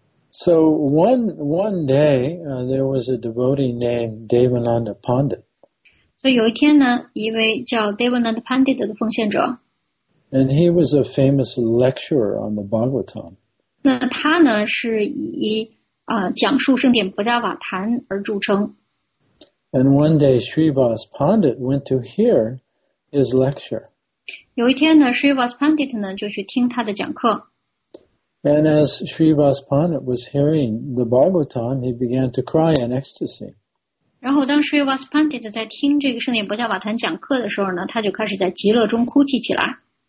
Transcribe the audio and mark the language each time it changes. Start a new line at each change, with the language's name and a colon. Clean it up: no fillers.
English: So one day, there was a devotee named Devananda Pandit.
Chinese: 所以有一天呢一位叫 Devananda Pandit 的奉献者。
English: And he was a famous lecturer on the Bhagavatam.
Chinese: 那他呢是以讲述圣典不加瓦坛而著称。
English: And one day, Srivas Pandit went to hear his lecture.
Chinese: 有一天呢 ,Srivas Pandit 呢就去听他的讲课。
English: And as Srivas Pandit was hearing the Bhagavatam, he began to cry in ecstasy.
Chinese: 然后当 Srivas Pandit 在听这个圣典不加瓦坛讲课的时候呢他就开始在极乐中哭泣起来。